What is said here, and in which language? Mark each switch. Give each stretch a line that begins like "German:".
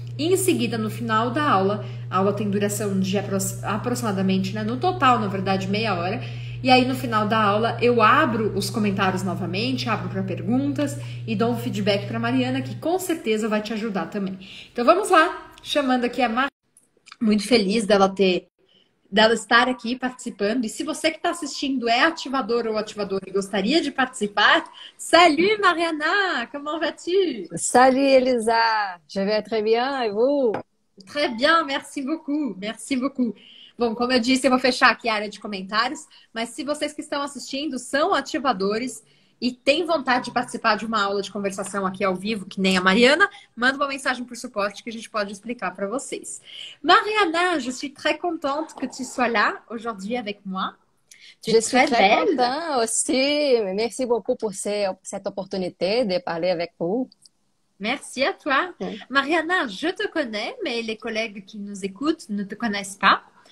Portuguese: Em seguida, no final da aula, a aula tem duração de aproximadamente, né, no total, na verdade, meia hora, e aí no final da aula eu abro os comentários novamente, abro para perguntas e dou um feedback para a Mariana, que com certeza vai te ajudar também. Então vamos lá, chamando aqui a Mariana, muito feliz dela estar aqui participando. E se você que está assistindo é ativador ou ativadora e gostaria de participar,
French: salut Mariana, comment vas-tu? Salut Elisa, je vais très bien, et vous? Très bien, merci beaucoup.
Portuguese: Bom, como eu disse, eu vou fechar aqui a área de comentários, mas se vocês que estão assistindo são ativadores e têm vontade de participar de uma aula de conversação aqui ao vivo, que nem a Mariana, manda uma mensagem por suporte que a gente pode explicar para vocês.
French: Mariana, je suis très contente que tu sois là aujourd'hui avec moi. Tu je suis très contente aussi. Merci beaucoup pour cette opportunité de parler avec vous. Merci à toi. Mariana, je te connais, mais les collègues qui nous écoutent ne te connaissent pas.